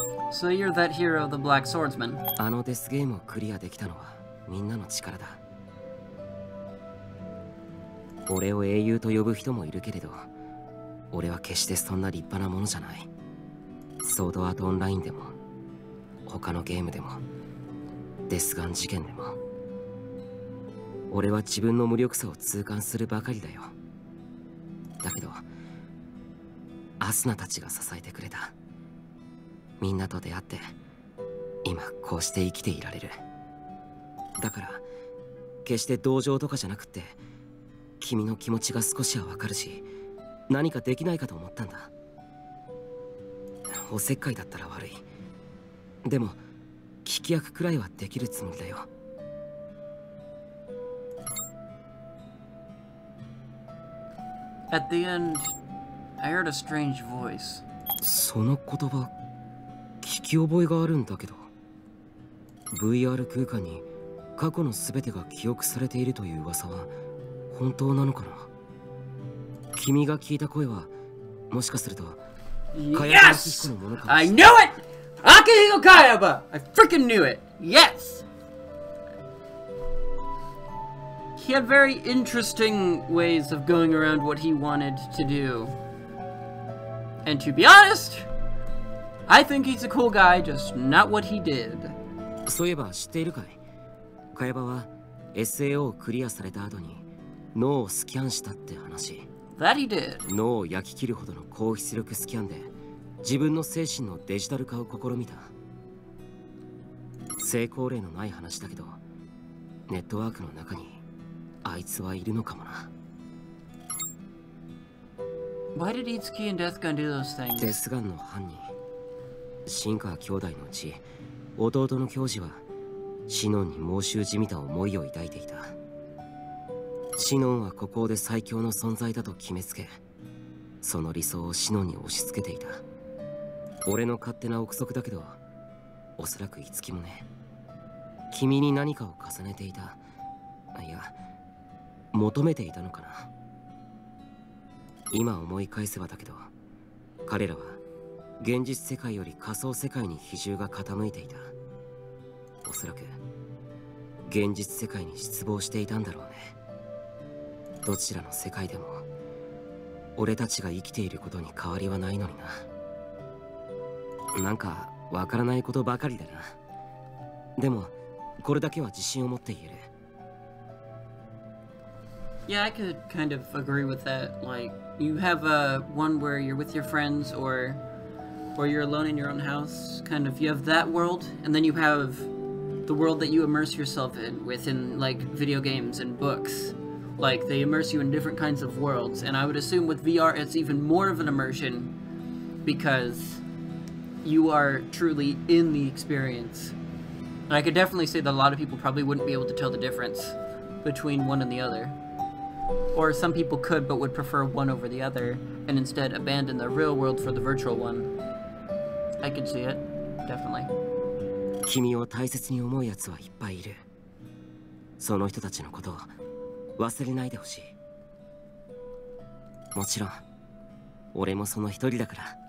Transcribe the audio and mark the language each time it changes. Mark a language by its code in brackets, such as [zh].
[en] So you're that hero of the Black Swordsman. [ja] あのデスゲームをクリアできたのはみんなの力だ。俺を英雄と呼ぶ人もいるけれど、俺は決してそんな立派なものじゃない。ソードアートオンラインでも、他のゲームでも、デスガン事件でも、俺は自分の無力さを痛感するばかりだよ。だけど、アスナたちが支えてくれた。みんなと出会って今こうして生きていられる。だから決して同情とかじゃなくて、君の気持ちが少しはわかるし、何かできないかと思ったんだ。おせっかいだったら悪い、でも聞き役くらいはできるつもりだよ。 [en] At the end, I heard a strange voice. [ja] その言葉聞き覚えがあるんだけど、 VR 空間に過去の全てが記憶されているという噂は本当なのかな。君が聞いた声はもしかすると、 [en] Yes! I knew it! Akihiko Kayaba! I freaking knew it! Yes! He had very interesting ways of going around what he wanted to do. And to be honest,I think he's a cool guy, just not what he did. [ja] そういえば知っているかい？カヤバは SAO をクリアされた後に脳をスキャンしたって話。 [en] That he did. [ja] 脳を焼き切るほどの高出力スキャンで自分の精神のデジタル化を試みた。成功例のない話だけど、ネットワークの中にあいつはいるのかもな。 [en] Why did Itsuki and Death Gun do those things? [ja] Death Gun の犯人、シンカー兄弟のうち、弟の教授はシノンに妄執じみた思いを抱いていた。シノンはここで最強の存在だと決めつけ、その理想をシノンに押し付けていた。俺の勝手な憶測だけど、おそらくイツキもね、君に何かを重ねていた。いや、求めていたのかな。今思い返せばだけど、彼らは現実世界より仮想世界に比重が傾いていた。おそらく現実世界に失望していたんだろうね。どちらの世界でも俺たちが生きていることに変わりはないのにな。なんかわからないことばかりだな。でもこれだけは自信を持って言える。 [en] Yeah, I could kind of agree with that. Like, you have a one where you're with your friends or you're alone in your own house. Kind of, you have that world, and then you have the world that you immerse yourself in within, like, video games and books. Like, they immerse you in different kinds of worlds. And I would assume with VR, it's even more of an immersion because you are truly in the experience. And I could definitely say that a lot of people probably wouldn't be able to tell the difference between one and the other. Or some people could, but would prefer one over the other, and instead abandon the real world for the virtual one. I can see it, definitely. [ja] 君を大切に思う奴はいっぱいいる。その人たちのことを忘れないでほしい。もちろん、俺もその一人だから。